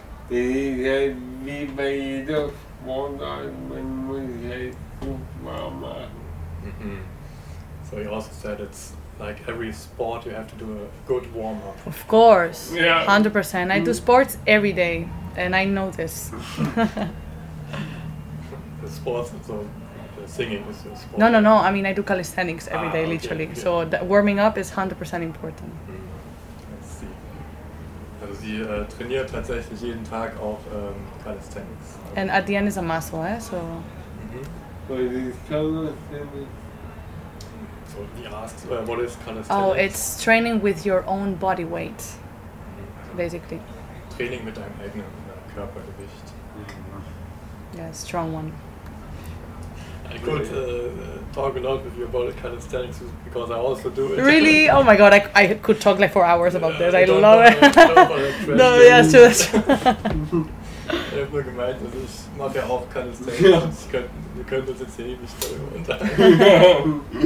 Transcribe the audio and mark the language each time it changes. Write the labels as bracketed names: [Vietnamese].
[German] Ja, wie bei jeder Sportart, man muss halt gut mal machen. [English] So, you also said it's like every sport you have to do a good warm-up. Of course, yeah. 100%. I do sports every day, and I know this. The sports, so the singing is your sport? No. I mean, I do calisthenics every day, okay, literally. Okay. So that warming up is 100% important. Let's see. [German] Also sie trainiert tatsächlich jeden Tag auch calisthenics. [English] And at the end is a muscle, eh? So. Mm-hmm. So, what is calisthenics? Oh, it's training with your own body weight, basically. [German] Training mit deinem eigenen Körpergewicht. Mm-hmm. [English] Yeah, strong one. I could talk a lot with you about calisthenics because I also do it. Really? Oh my god, I could talk like 4 hours about this. I love it. No, yeah, it's true. [German] Ich habe nur gemeint, dass ich mache ja auch Calisthenics. Wir können uns jetzt hier nicht darüber unterhalten.